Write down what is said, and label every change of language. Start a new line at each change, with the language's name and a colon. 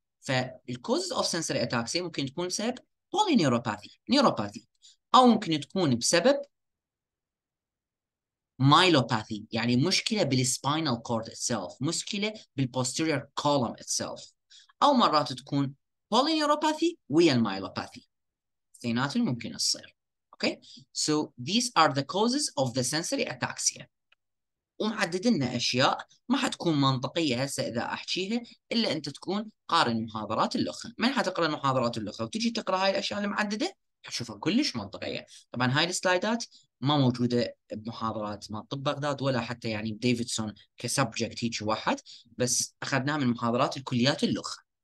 Arabic: فالكوز اوف سنسري اتاكسي ممكن تكون بسبب بولي نيوروباثي، او ممكن تكون بسبب مايلوباثي، يعني مشكله بالسباينال كورد اتسلف، مشكله بالبوستيريور كولوم اتسلف، او مرات تكون بولي نيوروباثي ويا المايلوباثي. اثنينات ممكن تصير.
English: Okay, so these are the causes of the sensory ataxia.
Arabic: ومحدد لنا أشياء ما حتكون منطقية هسه إذا أحكيها، إلا أنت تكون قارن محاضرات الأخرى. من حتقرأ المحاضرات الأخرى وتجي تقرأ هاي الأشياء المعددة حتشوفها كلش منطقية. طبعا هاي السلايدات ما موجودة بمحاضرات ما طب بغداد، ولا حتى يعني بديفيدسون كسبجكت هيك واحد، بس أخذناها من محاضرات الكليات الأخرى.